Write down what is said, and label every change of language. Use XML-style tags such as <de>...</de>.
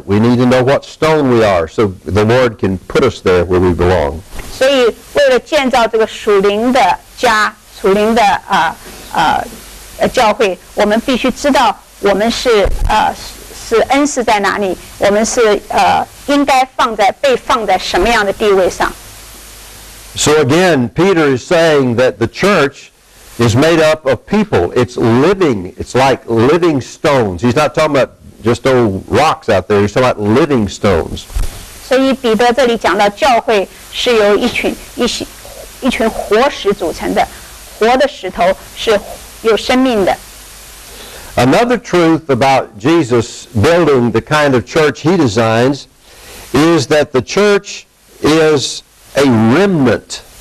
<en>We need to know what stone we are so the Lord can put us there where we belong.</en> <zh>所以为了建造这个属灵的家,属灵的教会,我们必须知道我们是恩赐在哪里,我们是应该被放在什么样的地位上。</zh> <en>So again, Peter is saying that the church is made up of people. It's living. It's like living stones. He's not talking about just old rocks out there. He's talking about living stones.</en> <zh>所以彼得这里讲到教会是由一群活石组成的,活的石头是有生命的。</zh> <en>Another truth about Jesus building the kind of church he designs is that the church is a remnant.</en>